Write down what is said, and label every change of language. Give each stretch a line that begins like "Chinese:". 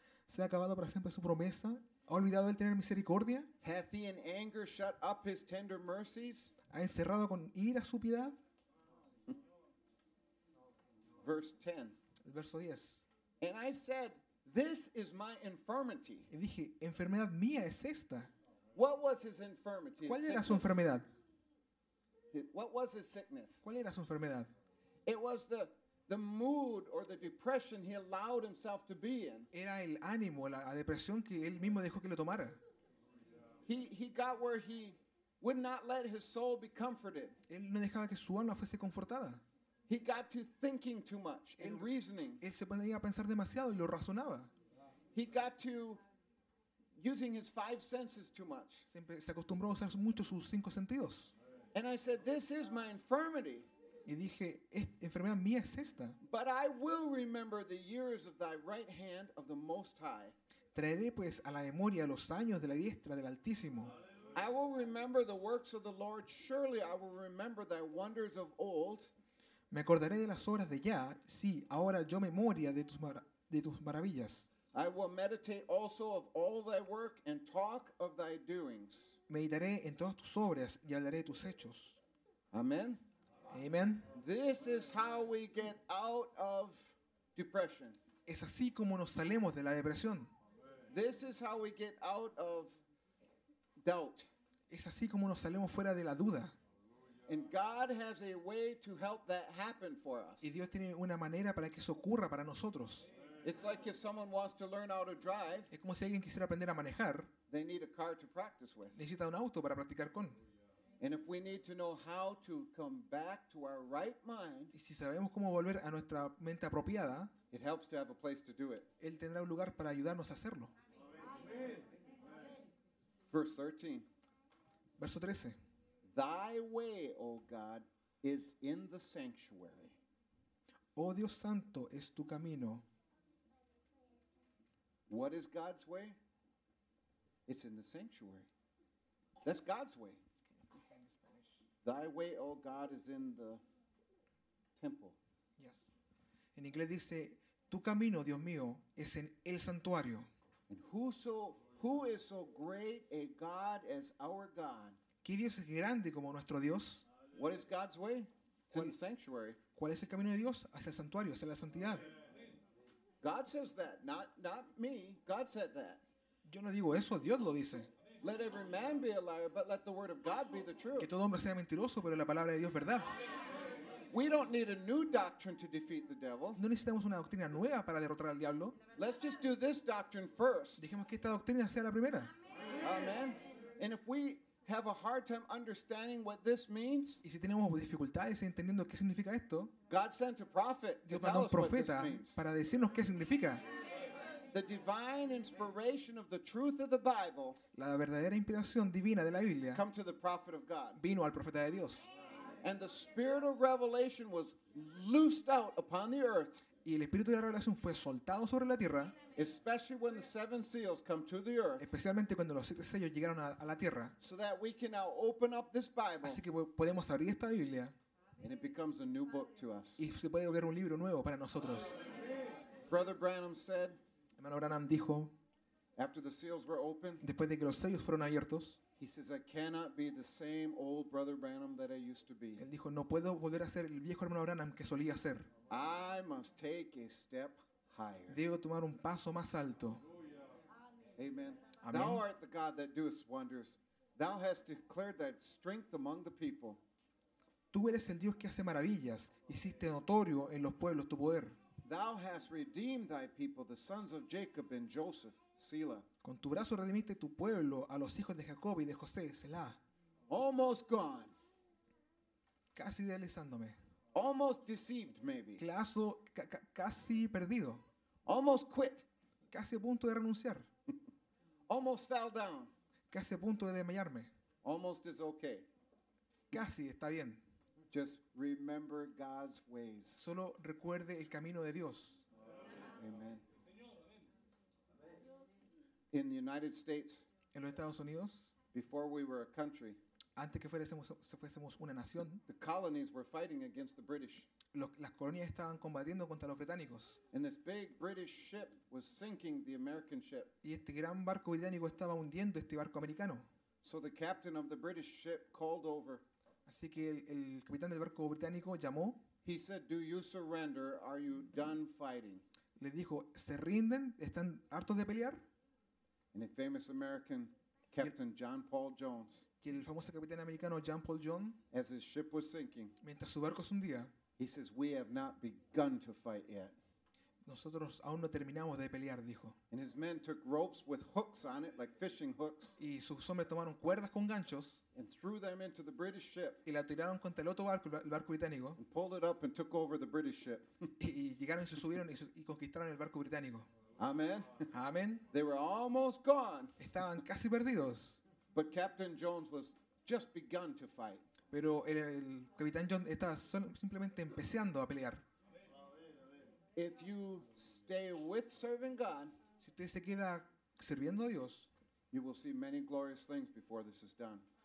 Spanish: ¿Se ha acabado para siempre su promesa? ¿Ha olvidado él tener misericordia?
English: Hath he in anger shut up his tender mercies?
Spanish: ¿Ha encerrado con ira su piedad?
English: Verse 10.
Spanish: El verso 10.
English: And I said, this is my infirmity.
Spanish: Y dije, enfermedad mía es esta.
English: What was his infirmity?
Spanish: ¿Cuál era su enfermedad?
English: What was his sickness?
Spanish: ¿Cuál era su enfermedad?
English: It was the mood or the depression he allowed himself to be in.
Spanish: Era el ánimo, la depresión que él mismo dejó que lo tomara.
English: He got where he would not let his soul be comforted.
Spanish: Él no dejaba que su alma fuese confortada.
English: He got to thinking too much and reasoning.
Spanish: Él se ponía a pensar demasiado y lo razonaba.
English: He got to using his five senses too much.
Spanish: Siempre se acostumbró a usar mucho sus cinco sentidos.
English: And I said, this is my infirmity.
Spanish: Y dije, enfermedad mía es esta.
English: But I will remember the years of thy right hand of the Most High.
Spanish: Traeré pues a la memoria los años de la diestra del Altísimo.
English: I will remember the works of the Lord. Surely I will remember thy wonders of old.
Spanish: Me acordaré de las obras de ya, sí, ahora yo memoria de tus maravillas.
English: I will meditate also of all thy work and talk of thy doings.
Spanish: Meditaré en todas tus obras y hablaré de tus hechos.
English: Amen.
Spanish: Amen.
English: This is how we get out of depression.
Spanish: Es así como nos salemos de la depresión.
English: This is how we get out of doubt.
Spanish: Es así como nos salemos fuera de la duda.
English: And God has a way to help that happen for us.
Spanish: Y Dios tiene una manera para que eso ocurra para nosotros.
English: It's like if someone wants to learn how to drive.
Spanish: Es como si alguien quisiera aprender a manejar.
English: They need a car to practice with.
Spanish: Necesita un auto para practicar con.
English: And if we need to know how to come back to our right mind.
Spanish: Y si sabemos cómo volver a nuestra mente apropiada.
English: It helps to have a place to do it.
Spanish: Él tendrá un lugar para ayudarnos a hacerlo.
English: Amen.
Spanish: Amen.
English: Verse
Spanish: 13. Verso 13.
English: Thy way, O God, is in the sanctuary.
Spanish: Oh Dios Santo, es tu camino.
English: What is God's way? It's in the sanctuary. That's God's way. Thy way, O God, is in the temple. Yes.
Spanish: En inglés dice, tu camino, Dios mío, es en el santuario.
English: And who is so great a God as our God?
Spanish: ¿Qué Dios es grande como nuestro Dios?
English: What is God's way? It's in the sanctuary.
Spanish: ¿Cuál es el camino de Dios? Hacia el santuario, hacia la santidad.
English: God says that, not me. God said that.
Spanish: Yo no digo eso, Dios lo dice.
English: Let every man be a liar, but let the word of God be the truth.
Spanish: Que todo hombre sea mentiroso, pero la palabra de Dios es verdad.
English: We don't need a new doctrine to defeat the devil.
Spanish: No necesitamos una doctrina nueva para derrotar al diablo.
English: Let's just do this doctrine first.
Spanish: Dejemos que esta doctrina sea la primera.
English: Amen. And if we have a hard time understanding what this means.
Spanish: Y si tenemos dificultades entendiendo qué significa esto.
English: God sent a prophet to tell us what this means.
Spanish: Para decirnos qué significa.
English: The divine inspiration of the truth of the Bible.
Spanish: La verdadera inspiración divina de la Biblia.
English: Come to the prophet of God.
Spanish: Vino al profeta de Dios.
English: And the spirit of revelation was loosed out upon the earth.
Spanish: Y el espíritu de la revelación fue soltado sobre la tierra.
English: Especially when the seven seals come to the earth.
Spanish: Especialmente cuando los siete sellos llegaron a la tierra.
English: So that we can now open up this Bible.
Spanish: Así que podemos abrir esta Biblia.
English: And it becomes a new book to us.
Spanish: Y se puede volver un libro nuevo para nosotros.
English: Brother Branham said.
Spanish: Hermano Branham dijo.
English: After the seals were opened.
Spanish: Después de que los sellos fueron abiertos.
English: He says, I cannot be the same old Brother Branham that I used to be.
Spanish: Él dijo, no puedo volver a ser el viejo hermano Branham que solía ser.
English: I must take a step.
Spanish: Debo tomar un paso más alto.
English: Amen. Thou art the God that doest wonders. Thou hast declared thy strength among the people.
Spanish: Tú eres el Dios que hace maravillas. Hiciste notorio en los pueblos tu poder.
English: Thou hast redeemed thy people, the sons of Jacob and Joseph, Selah.
Spanish: Con tu brazo redimiste tu pueblo a los hijos de Jacob y de José, Selah.
English: Almost gone.
Spanish: Casi deslizándome.
English: Almost deceived, maybe.
Spanish: Casi perdido.
English: Almost quit.
Spanish: Casi a punto de renunciar.
English: Almost fell down.
Spanish: Casi a punto de desmayarme.
English: Almost is okay.
Spanish: Casi está bien.
English: Just remember God's ways.
Spanish: Solo recuerde el camino de Dios.
English: Amen. In the United States.
Spanish: En los Estados Unidos.
English: Before we were a country.
Spanish: antes que fuésemos una nación,
English: the colonies were fighting against the British.
Spanish: Las colonias estaban combatiendo contra los británicos.
English: And this big British ship was sinking the American ship.
Spanish: Y este gran barco británico estaba hundiendo este barco americano.
English: So the captain of the British ship called over.
Spanish: Así que el capitán del barco británico llamó.
English: He said, "Do you surrender? Are you done fighting?"
Spanish: Le dijo, ¿se rinden? ¿Están hartos de pelear?
English: And a famous American captain, John Paul Jones.
Spanish: Que el famoso capitán americano John Paul Jones.
English: As his ship was sinking.
Spanish: Mientras su barco se hundía.
English: He says, "We have not begun to fight yet."
Spanish: Nosotros aún no terminamos de pelear, dijo.
English: And his men took ropes with hooks on it, like fishing hooks.
Spanish: Y sus hombres tomaron cuerdas con ganchos.
English: And threw them into the British ship.
Spanish: Y la tiraron contra el otro barco, el barco británico.
English: And pulled it up and took over the British ship.
Spanish: Y llegaron y se subieron y conquistaron el barco británico.
English: Amen.
Spanish: Amen.
English: They were almost gone.
Spanish: Estaban casi perdidos.
English: But Captain Jones was just begun to fight.
Spanish: Pero el capitán John estaba simplemente empezando a pelear.
English: If you stay with serving God,
Spanish: si usted se queda sirviendo a Dios,
English: you will see many glorious things before this is done.